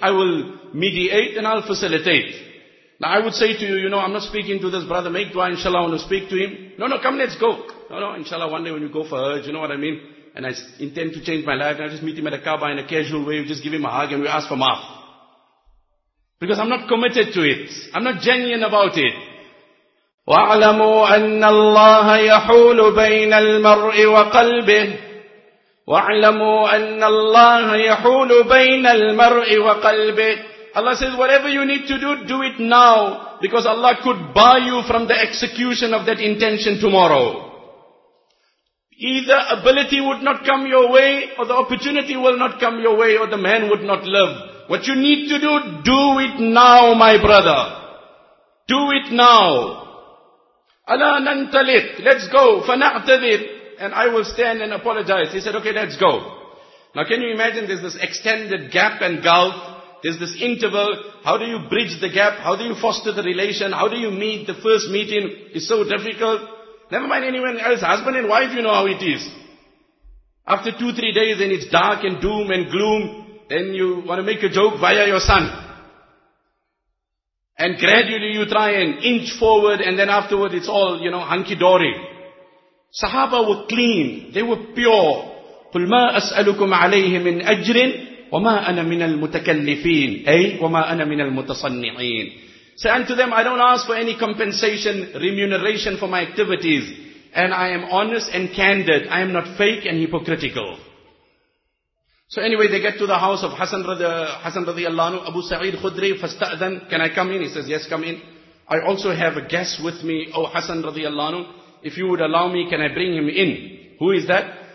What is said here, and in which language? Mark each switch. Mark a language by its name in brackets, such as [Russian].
[English] I will mediate and I'll facilitate. Now I would say to you, you know, I'm not speaking to this brother. Make dua, inshallah, I want to speak to him. No, no, come, let's go. No, no, inshallah, one day when you go for Hajj, you know what I mean? and I intend to change my life, and I just meet him at a Kaaba in a casual way, we just give him a hug and we ask for maaf. Because I'm not committed to it. I'm not genuine about it. [Arabic] وَاعْلَمُوا أَنَّ اللَّهَ يَحُولُ بَيْنَ الْمَرْءِ وَقَلْبِهِ وَاعْلَمُوا أَنَّ اللَّهَ يَحُولُ بَيْنَ الْمَرْءِ وَقَلْبِهِ [English] Allah says, whatever you need to do, do it now. Because Allah could bar you from the execution of that intention tomorrow. Either ability would not come your way, or the opportunity will not come your way, or the man would not live. What you need to do, do it now, my brother. Do it now. [Arabic] Ala nantalik, [English] let's go. [Arabic] Fana'tadir. [English] And I will stand and apologize. He said, okay, let's go. Now can you imagine, there's this extended gap and gulf. There's this interval. How do you bridge the gap? How do you foster the relation? How do you meet? The first meeting is so difficult. Never mind anyone else. Husband and wife, you know how it is. After 2-3 days and it's dark and doom and gloom, then you want to make a joke via your son. And gradually you try and inch forward, and then afterward it's all, you know, hunky-dory. Sahaba were clean. They were pure. [Arabic] قُلْ مَا أَسْأَلُكُمْ عَلَيْهِ مِنْ أَجْرٍ وَمَا أَنَا مِنَ الْمُتَكَلِّفِينَ أي وَمَا أَنَا مِنَ الْمُتَصَنِّعِينَ [English] Say unto them, I don't ask for any compensation, remuneration for my activities. And I am honest and candid. I am not fake and hypocritical. So anyway, they get to the house of Hasan radiallahu anhu, Abu Sa'id Khudri, fasta'adhan, can I come in? He says, yes, come in. I also have a guest with me, O Hasan radiallahu anhu. If you would allow me, can I bring him in? Who is that?